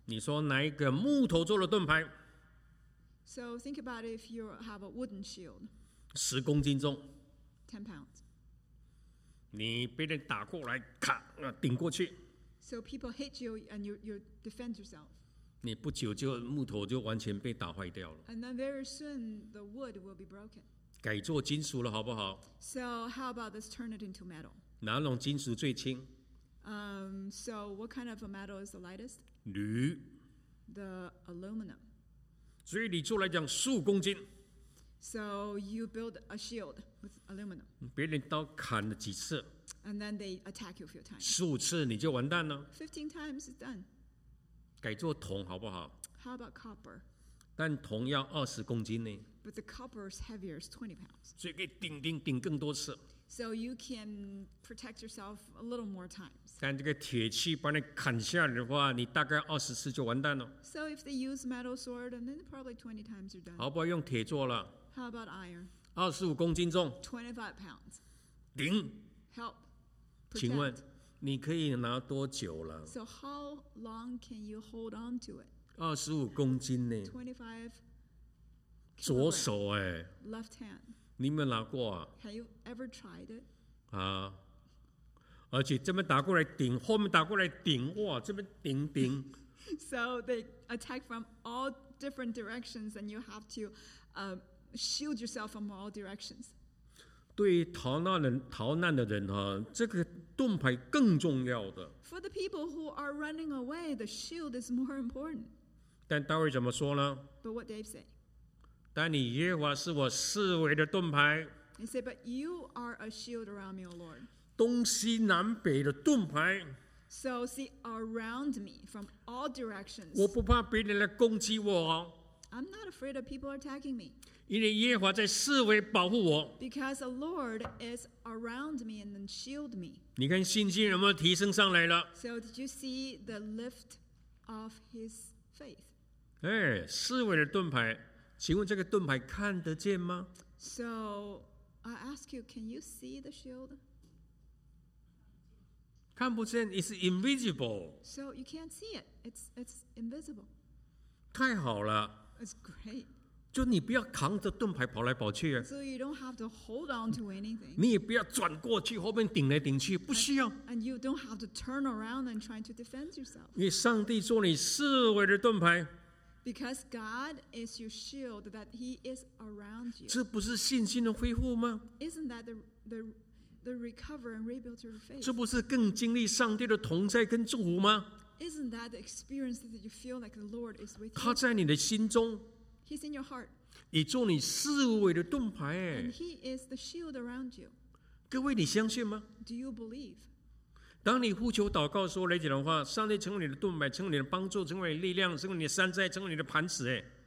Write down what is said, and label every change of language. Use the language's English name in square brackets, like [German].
[Chinese] 你说哪一个木头做的盾牌 [English] ？So think about if you have a wooden shield. [Chinese] 十公斤重。 [English] Ten pounds. [Chinese] 你被人打过来，咔，顶过去。 [English] So people hit you and you defend yourself. [Chinese] 你不久就木头就完全被打坏掉了。 [English] And then very soon the wood will be broken. [Chinese] 改做金属了好不好？ [English] So how about this turn it into metal? [Chinese] 哪种金属最轻？ [English] So what kind of a metal is the lightest? [Chinese] 铝。 [English] The aluminum. [Chinese] 所以你做来讲数公斤。 [English] So you build a shield with aluminum. [Chinese] 别人刀砍了几次。 [English] And then they attack you a few times. [Chinese] 15次你就完蛋了。 [English] 15 times is done. [Chinese] 改做铜好不好？ [English] How about copper? [Chinese] 但铜要20公斤呢。 [English] But the copper is heavier, it's 20 pounds. [Chinese] 所以可以顶顶顶更多次。 [English] So you can protect yourself a little more times. [Chinese] 但这个铁器把你砍下来的话，你大概20次就完蛋了。 [English] So if they use metal sword, and then probably 20 times you're done. [Chinese] 好不好用铁做了？ [English] How about iron? [Chinese] 25公斤重。 [English] 25 pounds. [Chinese] 顶。 [English] Help. [Chinese] 请问你可以拿多久了？ [English] So how long can you hold on to it? [Chinese] 25公斤呢？ [English] 25 [Chinese] 左手哎。 [English] Left hand. [Chinese] 你有没有拿过啊？ [English] Have you ever tried it? [Chinese] 啊，而且这边打过来顶，后面打过来顶，哇，这边顶顶。 [English] So they attack from all different directions, and you have to shield yourself from all directions. [Chinese] 对于逃难的人、啊、这个盾牌更重要的。 [English] For the people who are running away, the shield is more important. [Chinese] 但大卫怎么说呢？ [English] But what Dave say? [Chinese] 但你耶和华是我四围的盾牌。 [English] He said, but you are a shield around me, O Lord. [Chinese] 东西南北的盾牌。 [English] So see around me from all directions. [Chinese] 我不怕别人来攻击我。 [English] I'm not afraid of people attacking me. [Chinese] 因为耶和华在四围保护我。 [English] Because the Lord is around me and shield me. [Chinese] 你看信心有没有提升上来了？ [English] So did you see the lift of his faith? [Chinese] 哎，四围的盾牌，请问这个盾牌看得见吗？ [English] So I ask you, can you see the shield? [Chinese] 看不见 [English] ，it's invisible. So you can't see it. It's invisible. [Chinese] 太好了。 [English] It's great. [Chinese] 就你不要扛着盾牌跑来跑去、啊、 [English] So you don't have to hold on to anything. [Chinese] 你也不要转过去后面顶来顶去，不需要。 [English] And you don't have to turn around and try to defend yourself. [Chinese] 因为上帝做你四围的盾牌。 [English] Because God is your shield, that He is around you. [Chinese] 这不是信心的恢复吗？ [English] Isn't that the recover and rebuild your faith? [Chinese] 这不是更经历上帝的同在跟祝福吗？ [English] Isn't that the experience that you feel like the Lord is with you? [Chinese] 他在你的心中。 [English] He's in your heart. [Chinese] 你做你四围的盾牌。 [English] And he is the shield around you. [Chinese] 各位，你相信吗？ [English] Do you believe? [Chinese] 当你呼求祷告说来讲的话，上帝成为你的盾牌，成为你的帮助，成为力量，成为你的山寨，成为你的磐石。